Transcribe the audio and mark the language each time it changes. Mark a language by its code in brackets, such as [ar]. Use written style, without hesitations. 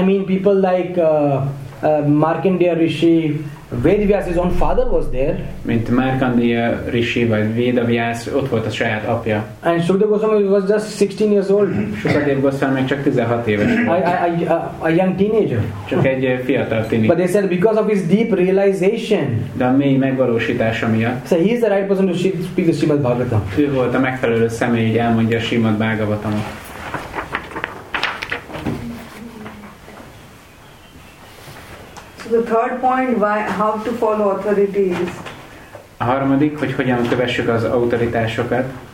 [en] I mean people like Markandeya Rishi, Vedavyasa's own father was there. [hu] Mint Markandeya Rishi vagy Vedavyas, ott volt a saját apja. [en] And Sukadev Goswami was just 16 years old. [hu] Sukadev Goswami még csak 16 éves volt. [en] A young teenager. [hu] Csak egy fiatal tini. [en] But they said because of his deep realization. [hu] De a mély megvalósítása miatt. [en] So he is the right person to speak the Srimad Bhagavatam. [hu] Ő volt a megfelelő személy, hogy elmondja a Srimad Bhagavatamot. [en] The third point, why, how to follow authorities. [hu] A harmadik, hogy hogyan kövessük az autoritásokat.